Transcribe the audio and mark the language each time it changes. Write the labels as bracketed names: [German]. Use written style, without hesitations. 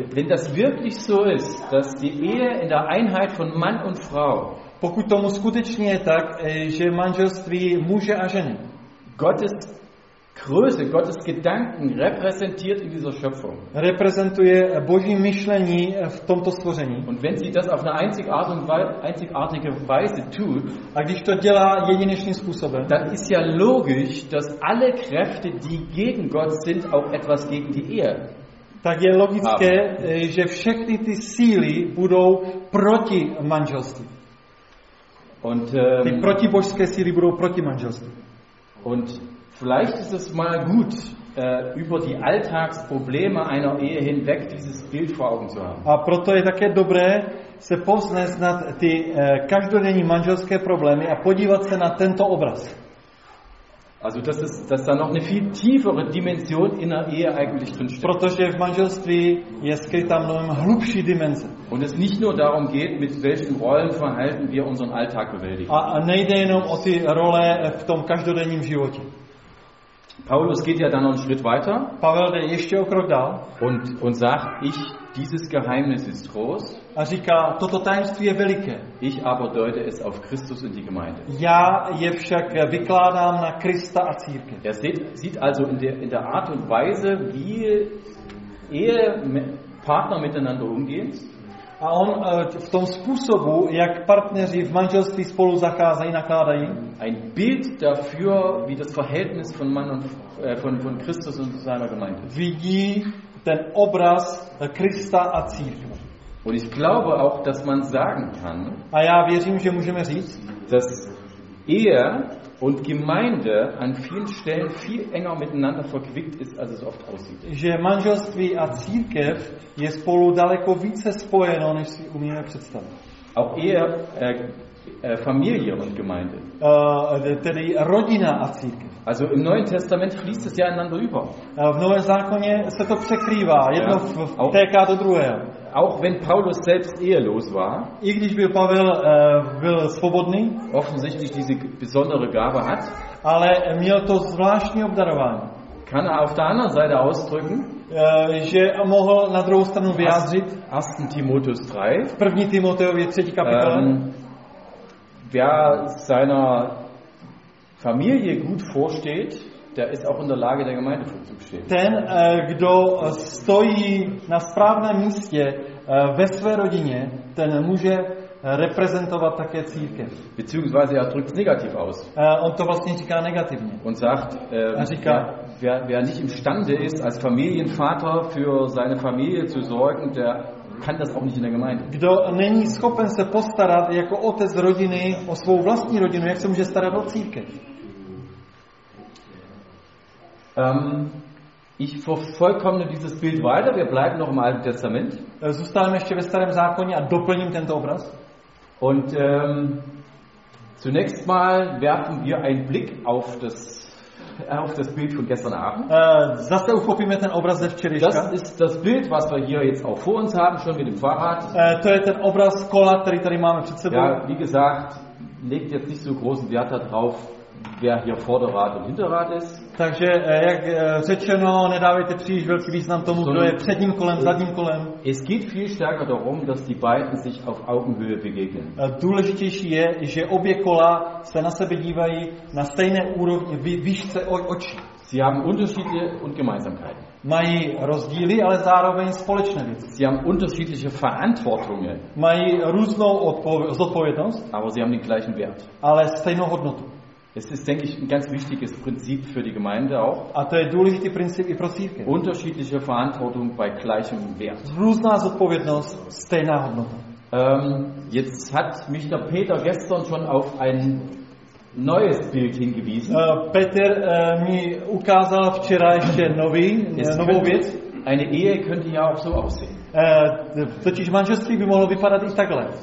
[German] Wenn das wirklich so ist, dass die Ehe in der Einheit von Mann und Frau, [Czech] pokud tomu skutečně je tak, že manželství muže a ženy, [German] Gottes Größe, Gottes Gedanken repräsentiert in dieser Schöpfung. [Czech] Reprezentuje Boží myšlení v tomto stvoření. [German] Und wenn sie das auf eine einzigartige Weise tut, [Czech] a když to dělá jedinečným způsobem, [German] dann ist ja logisch, dass alle Kräfte, die gegen Gott sind, auch etwas gegen die Ehe. [Czech] Tak je logické, že všechny ty síly budou proti manželství. [German] Und [Czech] ty protibožské síly budou proti manželství. [German] Und vielleicht ist es mal gut, über die Alltagsprobleme einer Ehe hinweg dieses Bild vor Augen zu haben. [Czech] A proto je také dobré se povznést nad ty každodenní manželské problémy a podívat se na tento obraz. [German] Also dass da noch eine viel tiefere Dimension in der Ehe eigentlich drin steckt. [Czech] Protože v manželství je skrytá mnohem hlubší dimenze. [German] Und es nicht nur darum geht, mit welchem Rollenverhalten wir unseren Alltag bewältigen. [Czech] A nejde jenom o ty role v tom každodenním životě. [German] Paulus geht ja dann noch einen Schritt weiter. [Czech] Pavel jde ještě o krok dál. [German] Und sagt, dieses Geheimnis ist groß. [Czech] A říká, toto tajemství je veliké. [German] Ich aber deute es auf Christus und die Gemeinde. [Czech] Já je však vykládám na Krista a církev. [German] Er sieht also in der Art und Weise, wie Ehepartner miteinander umgehen. [Czech] A on v tom způsobu, jak partneři v manželství spolu zacházejí, nakládají. [German] Ein Bild dafür, wie das Verhältnis von Mann und von Christus und seiner Gemeinde. [Czech] Vidí ten obraz Krista a církve. [German] Und ich glaube auch, dass man sagen kann. [Czech] A já věřím, že můžeme říct, [German] dass Ehe und Gemeinde an vielen Stellen viel enger miteinander verquickt ist, als es oft aussieht. [Czech] Že manželství a církev je spolu daleko více spojeno, než si umíme představit. [German] Auch Ehe, Familie und Gemeinde. [Czech] Tedy rodina a církev. [German] Also im Neuen Testament fließt es ja ineinander über. [Czech] V Novém zákoně se to překrývá, jedno vtéká do druhého. [German] Auch wenn Paulus selbst ehelos war, [Czech] i když byl Pavel byl svobodný, [German] offensichtlich diese besondere Gabe hat, [Czech] ale měl to zvláštní obdarování, [German] kann er auf der anderen Seite ausdrücken, [Czech] že mohl na druhou stranu vyjádřit, [German] 1. Timotheus 3, [Czech] v 1. Timoteovi 3. kapitole, [German] wer seiner Familie gut vorsteht, der ist auch in der Lage, der Gemeinde vorzustehen. [Czech] Ten, kdo stojí na správném místě ve své rodině, ten může reprezentovat také církev. [German] Beziehungsweise er drückt negativ aus. [Czech] On to vlastně říká negativně. [German] Und sagt, [Czech] říká, [German] wer nicht imstande ist, als Familienvater für seine Familie zu sorgen, der kann das auch nicht in der Gemeinde. [Czech] Kdo není schopen se postarat jako otec rodiny o svou vlastní rodinu, jak se může starat o církev? [German] Ich vervollkomme dieses Bild weiter, wir bleiben noch im Alten Testament. [Czech] Zůstaneme ještě ve starém zákoně a doplním tento obraz. [German] Und zunächst mal werfen wir einen Blick auf das Bild von gestern Abend. [Czech] Zase uchopíme ten obraz ze včerejška. [German] Das ist das Bild, was wir hier jetzt auch vor uns haben, schon mit dem Fahrrad. [Czech] To je ten obraz kola, který tady máme před sebou. [German] Ja, wie gesagt, legt jetzt nicht so großen Wert darauf, wer hier Vorderrad und Hinterrad ist. [Czech] Takže jak řečeno, nedávejte příliš velký význam tomu, kdo je předním kolem, zadním kolem. [German] Es geht viel stärker darum, dass die beiden sich auf Augenhöhe begegnen. [Czech] Důležitější je, že obě kola se na sebe dívají na stejné úrovni, výšce očí. [German] Sie haben Unterschiede und Gemeinsamkeiten. [Czech] Mají rozdíly, ale zároveň společné věci. [German] Sie haben unterschiedliche Verantwortungen. [Czech] Mají různou zodpovědnost. [German] Aber sie haben den gleichen Wert. [Czech] Ale stejnou hodnotu. [German] Es ist, denke ich, ein ganz wichtiges Prinzip für die Gemeinde auch. [Czech] A to je důležitý princip i pro církev. [German] Unterschiedliche Verantwortung bei gleichem Wert. [Czech] Různá zodpovědnost, stejná hodnota. [German] Jetzt hat mich der Peter gestern schon auf ein neues Bild hingewiesen. [Czech] Peter mi ukázal včera ještě novou věc. [German] Eine Ehe könnte ja auch so aussehen. [Czech] Totiž manželství by mohlo vypadat i takhle.